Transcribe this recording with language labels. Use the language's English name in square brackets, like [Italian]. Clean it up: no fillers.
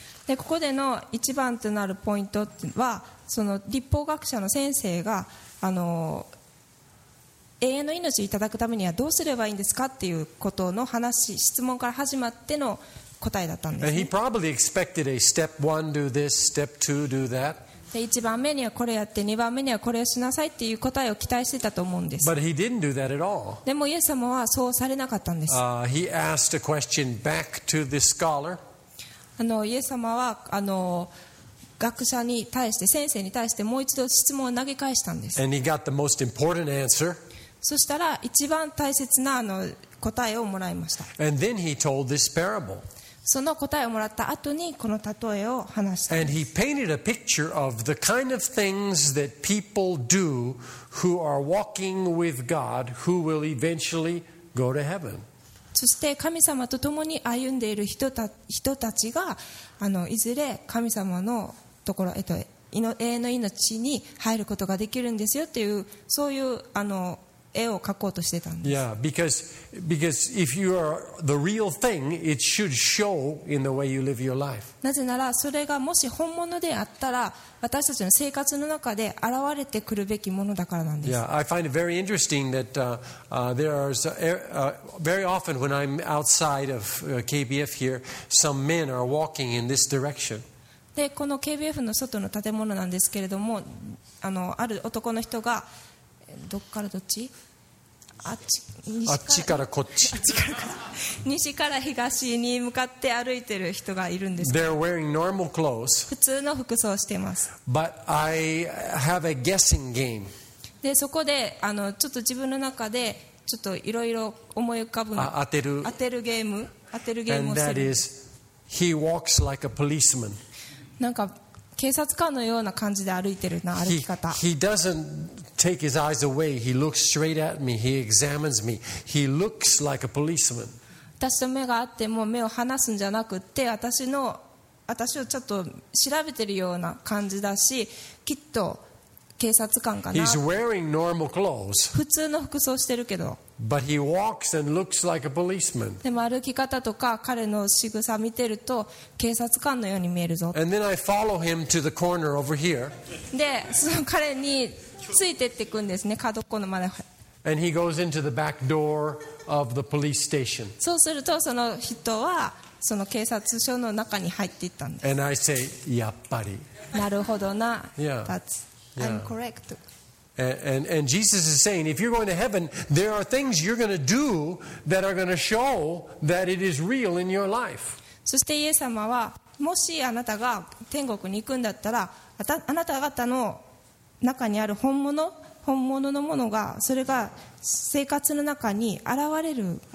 [Japanese] で、ここでの一番となるポイントは、その立法学者の先生が永遠の命をいただくためにはどうすればいいんですかっていうことの話、質問から始まっての答えだったんです、ね。 [English] And he probably expected a step one do this, step two do that. [Japanese] で1番目にはこれやって2番目にはこれをしなさいっていう答えを期待してたと思うんです。 [English] But he didn't do that at all. [Japanese] でもイエス様はそうされなかったんです。 [English] He asked a question back to the scholar. [Japanese] イエス様は学者に対して先生に対してもう一度質問を投げ返したんです。 [English] And he got the most important answer. [Japanese] そしたら一番大切な答えをもらいました。 [English] And then he told this parable. [Japanese] その答えをもらった後にこの例えを話した。 [English] And he painted a picture of the kind of things that people do who are walking with God who will eventually go to heaven. [Japanese] そして神様と共に歩んでいる人たちがいずれ神様のところ、永遠の命に入ることができるんですよっていうそういう絵を描こうとしてたんです。 [English] Yeah, because if you are the real thing, it should show in the way you live your life. [Japanese] なぜならそれがもし本物であったら私たちの生活の中で現れてくるべきものだからなんです。 [English] Yeah, I find it very interesting that there are very often when I'm outside of KBF here, some men are walking in this direction. [Japanese] でこの KBF の外の建物なんですけれども、ある男の人がどっからどっち？あっち、西から、あっちからこっち。あっちからから西から東に向かって歩いてる人がいるんです。 [English] They're wearing normal clothes. [Japanese] 普通の服装をしています。 [English] But I have a guessing game. [Japanese] でそこでちょっと自分の中でちょっといろいろ思い浮かぶ当てるゲームをする。 [English] And that is, he walks like a policeman. [Japanese] なんか警察官のような感じで歩いてるな歩き方。 [English] He doesn't. Take his eyes away. He looks straight at me. He examines me. He looks like a policeman. [Japanese] 私と目があっても目を離すんじゃなくて、私をちょっと調べてるような感じだし、きっと警察官かな。 [English] He's wearing normal clothes. [Japanese] 普通の服装してるけど。 [English] But he walks and looks like a policeman. [Japanese] でも歩き方とか彼の仕草見てると警察官のように見えるぞ。 [English] And then I follow him to the corner over here. [Japanese] で、その彼についてっていくんですね、角っこのまで。 [English] And he goes into the back door of the police station. [Japanese] そうすると、その人はその警察署の中に入っていったんです。 [English] And I say, [Japanese] やっぱり。なるほどな。 [English] Yeah. That's, yeah. I'm correct. And Jesus is saying, if you're going to heaven, there are things you're going to do that are going to show that it is real in your life. [Japanese] そしてイエス様は、もしあなたが天国に行くんだったら、あなた方の中にある本物、本物のものが、それが生活の中に現れる。